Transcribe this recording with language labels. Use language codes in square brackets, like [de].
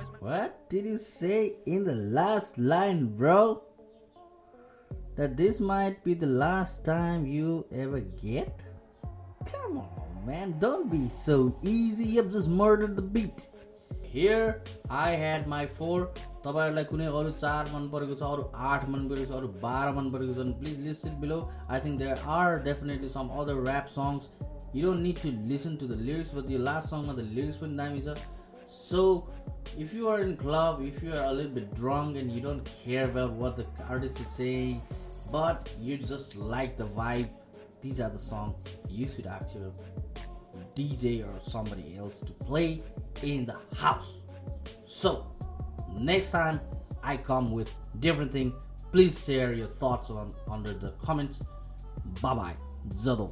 [en] What did you say in the last line, bro? That this might be the last time you ever get? Come on, man, don't be so easy. You've just murdered the beat. Here I had my 4. [ne] तपाईहरुलाई कुनै अरु 4 मन परेको छ, अरु 8 मन परेको छ, अरु 12 मन परेको छ, [en] Please list it below. I think there are definitely some other rap songs. You don't need to listen to the lyrics, but the last song मा the lyrics [ne] पनि दामी छ. [en] So if you are in club, if you are a little bit drunk and you don't care about what the artist is saying, but you just like the vibe, these are the song you should actually DJ or somebody else to play in the house. So next time I come with different thing, please share your thoughts on under the comments. Bye bye. Zado.